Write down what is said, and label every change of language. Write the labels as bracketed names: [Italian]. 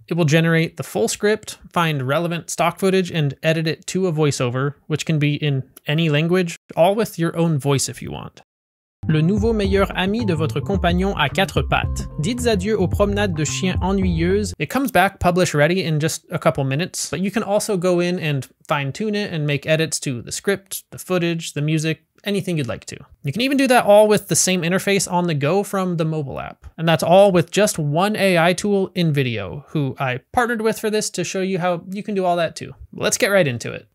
[English] It will generate the full script, find relevant stock footage, and edit it to a voiceover, which can be in any language, all with your own voice if you want. [French] Le nouveau meilleur ami de votre compagnon à quatre pattes. Dites adieu aux promenades de chiens ennuyeuses. [English] It comes back publish ready in just a couple minutes, but you can also go in and fine tune it and make edits to the script, the footage, the music, anything you'd like to. You can even do that all with the same interface on the go from the mobile app. And that's all with just one AI tool, Invideo, who I partnered with for this to show you how you can do all that too. Let's get right into it.